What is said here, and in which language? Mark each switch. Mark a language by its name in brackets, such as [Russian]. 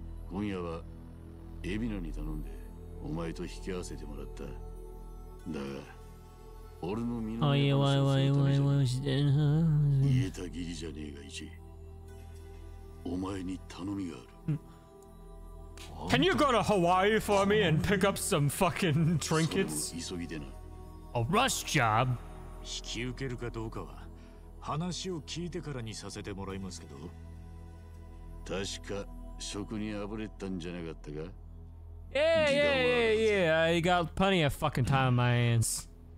[Japanese] 今夜は海老名に頼んでお前と引き合わせてもらった。だが俺の身の上を説明するためじゃ言えたぎりじゃねえが、一お前に頼みがある。あ [English] Can you go to Hawaii for me and pick up some fucking trinkets? A rush job? [Japanese] 引き受けるかどうかは話を聞いてからにさせてもらいますけど。確か職にあぶれたんじゃなかったか。 [English] Yeah. I got plenty of fucking time on my hands.